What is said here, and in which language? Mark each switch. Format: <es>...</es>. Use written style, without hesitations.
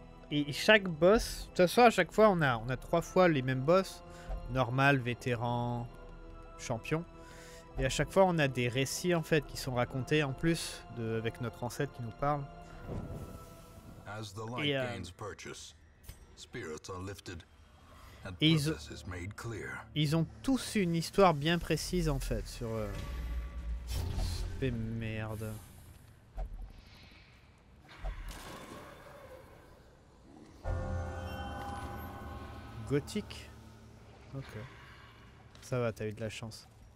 <fr>Et chaque boss, de toute façon, à chaque fois, on a trois fois les mêmes boss. Normal, vétéran. Champion, et à chaque fois on a des récits en fait qui sont racontés en plus de avec notre ancêtre qui nous parle.</fr> <en>As the light gains purchase, spirits are lifted, and purpose is made clear.</en> <fr>Ils ont tous une histoire bien précise en fait sur merde. Gothique, ok. Ça va, t'as eu de la chance.</fr>